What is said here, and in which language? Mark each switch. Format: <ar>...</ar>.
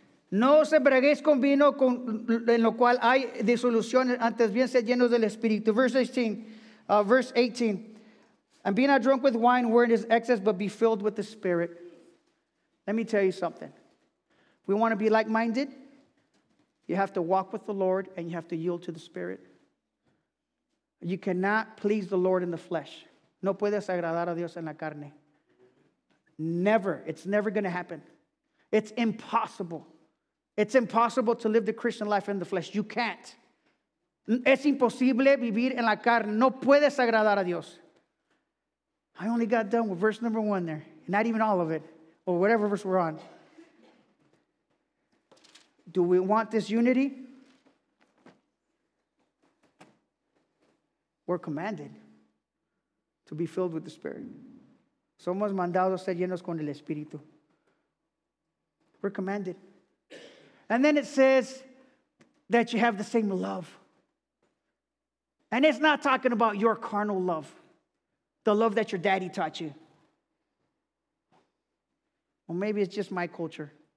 <es>No se embriaguéis con vino con en lo cual hay disolución, antes bien sed llenos del Espíritu.</es> <en>Verse 18. And be not drunk with wine, wherein is excess, but be filled with the Spirit. Let me tell you something. We want to be like-minded. You have to walk with the Lord and you have to yield to the Spirit. You cannot please the Lord in the flesh.</en> <es>No puedes agradar a Dios en la carne.</es> <en>Never. It's never going to happen. It's impossible. It's impossible to live the Christian life in the flesh. You can't.</en> <es>Es imposible vivir en la carne. No puedes agradar a Dios.</es> <en>I only got done with verse number one there. Not even all of it. Or whatever verse we're on. Do we want this unity? We're commanded to be filled with the Spirit.</en> <es>Somos mandados a ser llenos con el Espíritu.</es> <en>We're commanded. And then it says that you have the same love. And it's not talking about your carnal love, the love that your daddy taught you. Well, maybe it's just my culture.</en>